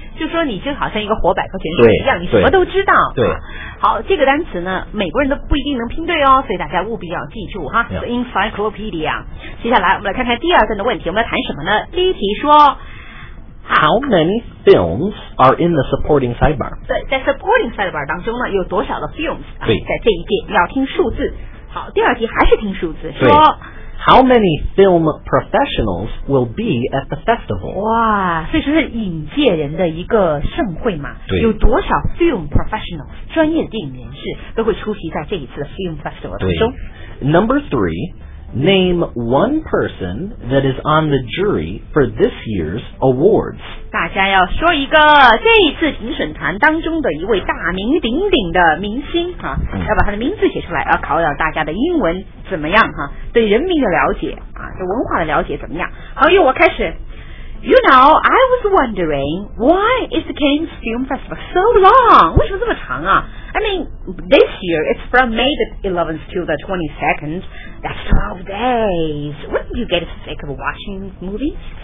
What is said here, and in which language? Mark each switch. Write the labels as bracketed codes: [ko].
[zh] 就说你就好像一个活百科全书一样，你什么都知道。对。好，这个单词呢，美国人都不一定能拼对哦，所以大家务必要记住哈。 [en] Yeah. Encyclopedia. [zh] 接下来我们来看看第二段的问题，我们来谈什么呢？第一题说 [en] How many films are in the supporting sidebar? [zh] 对，在 supporting sidebar 当中呢，有多少的 films？对，在这一点要听数字。好，第二题还是听数字，说 [en] How many film professionals will be at the festival? [zh] 哇，所以说是影界人的一个盛会嘛，对，有多少 film professionals 专业的电影人士都会出席在这一次的 film festival 当中。 [en] Number three, name one person that is on the jury for this year's awards. [zh] 大家要说一个这一次评审团当中的一位大名鼎鼎的明星哈，要把他的名字写出来，要考考大家的英文怎么样哈，对人民的了解啊，对文化的了解怎么样。好，由我开始。 [en] You know, I was wondering why is the Cannes Film Festival so long? [zh] 为什么这么长啊？ [en] I mean, this year it's from May the 11th to the 22nd. That's 12 days. Wouldn't you get sick of watching movies?